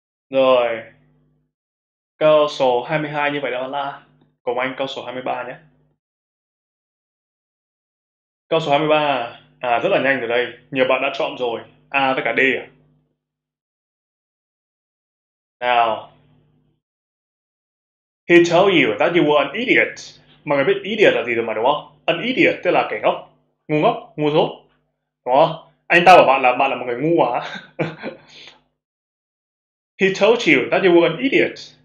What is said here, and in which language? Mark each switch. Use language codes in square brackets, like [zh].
[vi] Rồi, câu số 22 như vậy đó là cùng anh câu số 23 nhé. Câu số 23, rất là nhanh rồi đây, nhiều bạn đã chọn rồi, A với cả D à? Nào, [en] he told you that you were an idiot. [vi] Mọi người biết idiot là gì rồi mà đúng không? [en] An idiot [vi] tức là kẻ ngốc, ngu ngốc, ngu dốt, đúng không? Anh ta bảo bạn là một người ngu à? [en] He told you that you were an idiot.